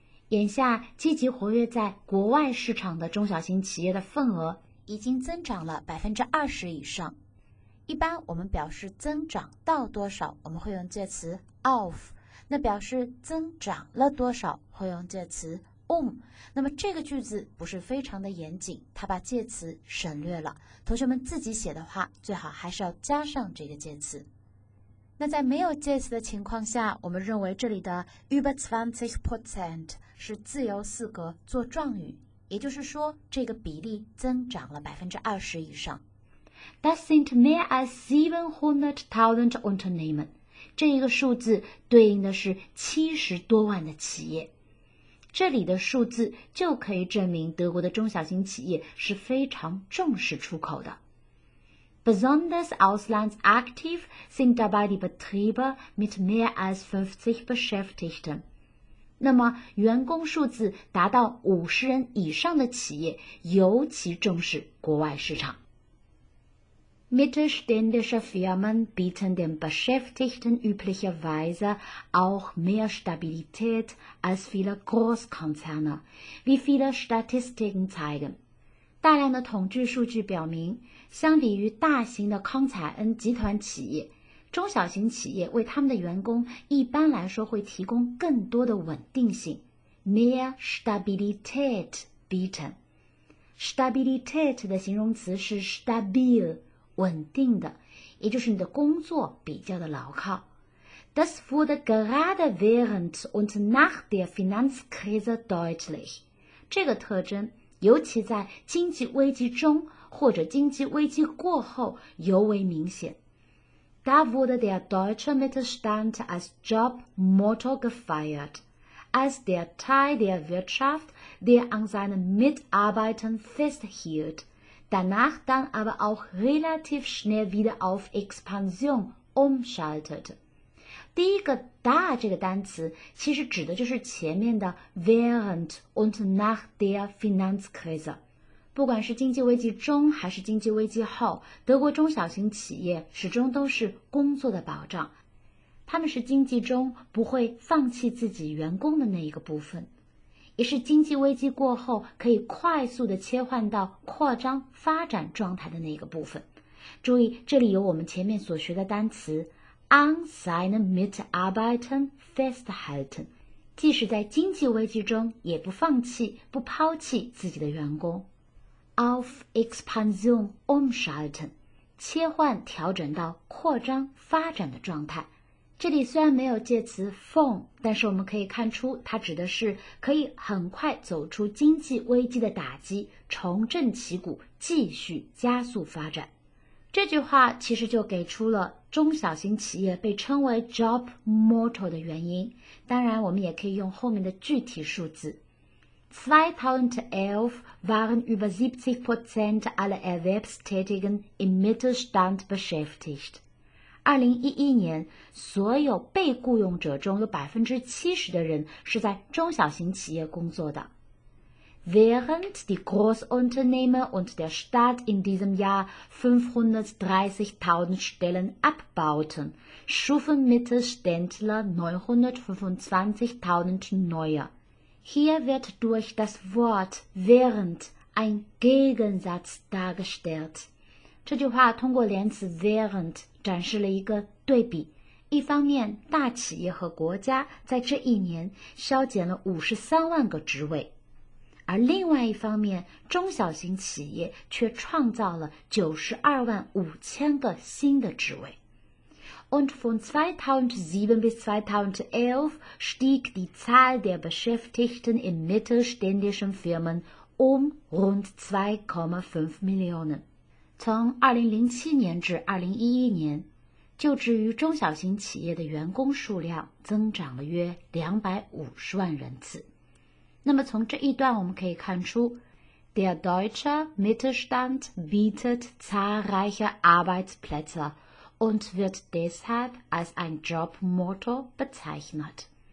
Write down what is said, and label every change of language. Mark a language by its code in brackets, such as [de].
[zh] 眼下积极活跃在国外市场的中小型企业的份额已经增长了 20% 以上。一般我们表示增长到多少我们会用介词 of, 那表示增长了多少会用介词那么这个句子不是非常的严谨，它把介词省略了。同学们自己写的话，最好还是要加上这个介词。那在没有介词的情况下，我们认为这里的 [de] über 20% [zh] 是自由四格做状语，也就是说这个比例增长了 20% 以上。 [de] Das sind mehr als 700,000 Unternehmen. [zh] 这一个数字对应的是70多万的企业。这里的数字就可以证明德国的中小型企业是非常重视出口的。 [de] Besonders auslandsaktiv sind dabei die Betriebe mit mehr als 50 Beschäftigten. [zh] 那么员工数字达到50人以上的企业尤其重视国外市场。 [de] Mittelständische Firmen bieten den Beschäftigten üblicherweise auch mehr Stabilität als viele Großkonzerne, wie viele Statistiken zeigen. [zh] 大量的统计数据表明，相比于大型的康采恩集团企业，中小型企业为他们的员工一般来说会提供更多的稳定性。 [de] Mehr Stabilität bieten. [zh] Stabilität 的形容词是 stabil. 稳定的，也就是你的工作比较的牢靠。 [de] Das wurde gerade während und nach der Finanzkrise deutlich. [zh] 这个特征尤其在经济危机中或者经济危机过后尤为明显。 [de] Da wurde der deutsche Mittelstand als Jobmotor gefeiert, als der Teil der Wirtschaft, der an seinen Mitarbeitern festhielt, danach dann aber auch relativ schnell wieder auf Expansion umschaltete. [zh] 第一个 da 这个单词其实指的就是前面的 [de] während und nach der Finanzkrise。 [zh] 不管是经济危机中还是经济危机后，德国中小型企业始终都是工作的保障，他们是经济中不会放弃自己员工的那一个部分，也是经济危机过后可以快速的切换到扩张发展状态的那一个部分。注意，这里有我们前面所学的单词 [de] an seinen Mitarbeitern festhalten， [zh] 即使在经济危机中也不放弃，不抛弃自己的员工。 [de] Auf Expansion umschalten， [zh] 切换调整到扩张发展的状态。这里虽然没有介词 von， 但是我们可以看出它指的是可以很快走出经济危机的打击，重振旗鼓，继续加速发展。这句话其实就给出了中小型企业被称为 job motor 的原因。当然我们也可以用后面的具体数字， [de] 2011 waren über 70% aller Erwerbstätigen im Mittelstand beschäftigt. [zh] 2011年，所有被雇佣者中有 70% 的人是在中小型企业工作的。 [de] Während die Großunternehmen und der Staat in diesem Jahr 530.000 Stellen abbauten, schufen Mittelständler 925.000 neue. Hier wird durch das Wort während ein Gegensatz dargestellt. [zh] 这句话通过连词 während 展示了一个对比。一方面，大企业和国家在这一年削减了530,000个职位，而另外一方面，中小型企业却创造了925,000个新的职位。 [de] Und von 2007 bis 2011 stieg die Zahl der Beschäftigten in mittelständischen Firmen rund 2,5 Millionen. [zh] 从2007年至2011年，就职于中小型企业的员工数量增长了约250万人次。那么从这一段我们可以看出， [de] Der deutsche Mittelstand bietet zahlreiche Arbeitsplätze,und wird deshalb als ein Jobmotto bezeichnet.